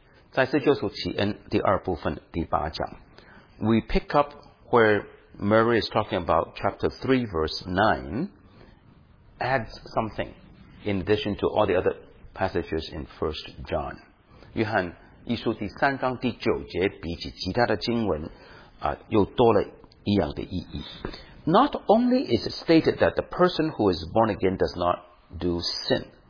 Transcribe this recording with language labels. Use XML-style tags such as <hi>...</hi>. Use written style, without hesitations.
<zh>在这救赎起恩, 第二部分, 第八讲,</zh> <en>we pick up where Murray is talking about Chapter 3, Verse 9, adds something in addition to all the other passages in 1 John.</en> <zh>约翰一书第三章第九节比起其他的经文, 又多了一样的意义。</zh> <en>Not only is it stated that the person who is born again does not do sin.</en>